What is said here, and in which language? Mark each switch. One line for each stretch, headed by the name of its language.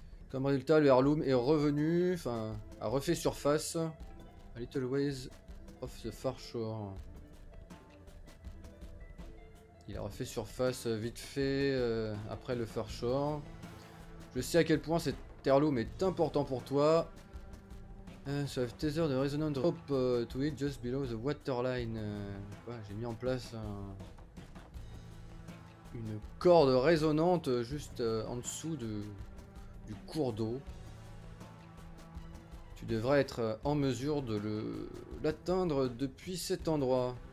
French: Comme résultat, le heirloom est revenu, enfin, a refait surface.
English: A little ways off the far shore.
French: Il a refait surface vite fait après le
English: far shore.
French: Je sais à quel point cet heirloom est important pour toi.
English: So I have tethered the resonant rope to it just below the waterline.
French: Ouais, j'ai mis en place une corde résonante juste en dessous du cours d'eau. Tu devrais être en mesure de l'atteindre depuis cet endroit.